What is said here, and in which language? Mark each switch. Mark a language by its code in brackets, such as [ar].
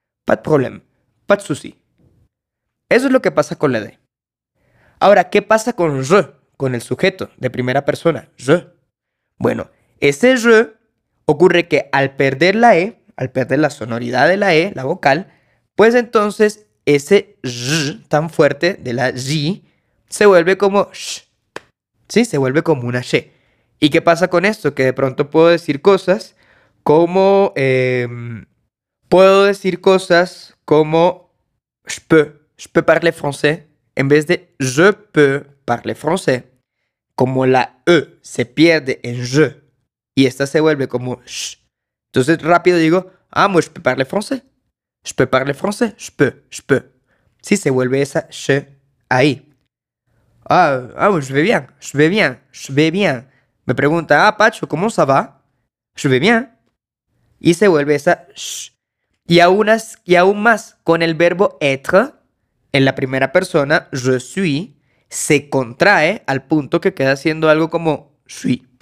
[fr] Pas de problème, pas de souci. [es] Eso es lo que pasa con la D. Ahora, ¿qué pasa con je, con el sujeto de primera persona, je? Bueno, ese je ocurre que al perder la E, al perder la sonoridad de la E, la vocal, pues entonces ese j tan fuerte de la j se vuelve como sh. Sí, se vuelve como una she. ¿Y qué pasa con esto? Que de pronto puedo decir cosas como... puedo decir cosas como [fr] je peux parler français, [es] en vez de [fr] je peux parler français. [es] Como la E se pierde en je y esta se vuelve como sh. Entonces rápido digo, [fr] ah, moi je peux parler français. Je peux parler français, je peux. [es] Sí, se vuelve esa sh ahí. [fr] Ah, ah, je vais bien, je vais bien, je vais bien. [es] Me pregunta, ah, Pacho, ¿cómo se va? [fr] Je vais bien. [es] Y se vuelve esa sh. Y aún más con el verbo être, en la primera persona, [fr] je suis, [es] se contrae al punto que queda siendo algo como suis.